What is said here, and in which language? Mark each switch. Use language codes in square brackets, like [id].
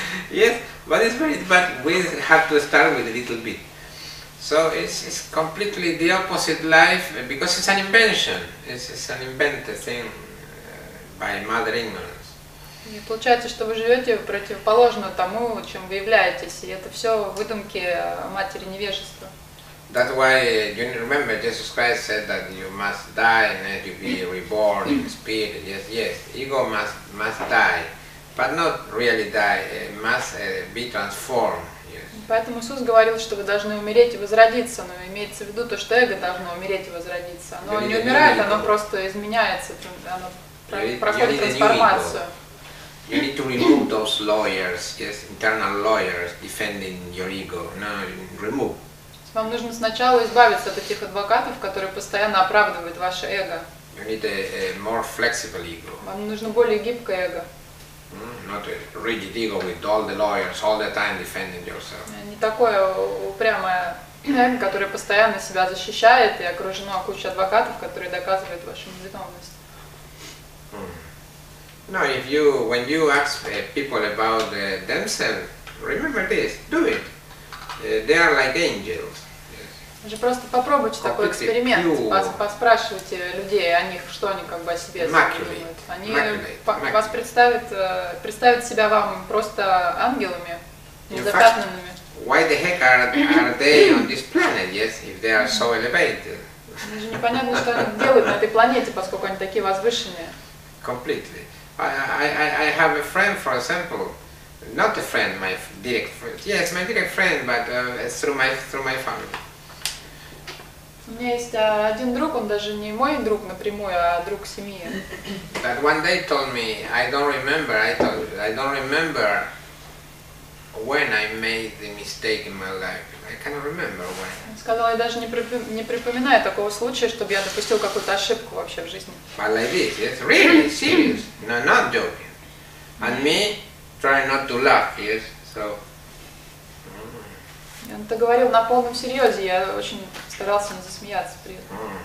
[en] Yes, but it's very, but we have to start with a little bit. So it's completely the opposite life because it's an invention. It's an invented thing. By mother ignorance. [ru] И получается, что вы живете противоположно тому, чем вы являетесь, и это все выдумки матери невежества. [en] That's why you remember Jesus Christ said that you must die and that you be reborn in spirit. Yes, yes. Ego must die, but not really die. Must be transformed. Yes. [ru] Поэтому Иисус говорил, что вы должны умереть и возродиться, но имеется в виду то, что эго должно умереть и возродиться. Оно не умирает, оно просто изменяется. Оно [en] You need to remove those lawyers, yes, internal lawyers defending your ego. No, remove. [ru] Вам нужно сначала избавиться от этих адвокатов, которые постоянно оправдывают ваше эго. [en] You need a more flexible ego. [ru] Вам нужно более гибкое эго. [en] Not a rigid ego with all the lawyers all the time defending yourself. [ru] Не такое упрямое эго, которое постоянно себя защищает и окружено кучей адвокатов, которые доказывают вашу невиновность. [en] Now, if you, when you ask people about themselves, remember this, do it. They are like angels. [ru] Же просто попробуйте такой эксперимент, поспрашивайте людей о них, что они как бы о себе думают. Они вас представят себя вам просто ангелами, незапятнанными. [en] Why the heck are they on this planet, yes, if they are so elevated? [ru] Даже непонятно, что они делают на этой планете, поскольку они такие возвышенные. [en] Completely. I have a friend, for example. Not a friend, my direct friend. Yes, my direct friend, but through my family. [ru] У меня есть один друг, он даже не мой друг напрямую, а друг семьи. [en] But one day told me, I don't remember when I made the mistake in my life. I cannot remember when. [ru] Сказал, я даже не припоминаю такого случая, чтобы я допустил какую-то ошибку вообще в жизни. [en] But like this, yes, really, serious, no, not joking. And me, try not to laugh, yes, so. [ru] Он это говорил на полном серьезе, я очень старался не засмеяться при этом.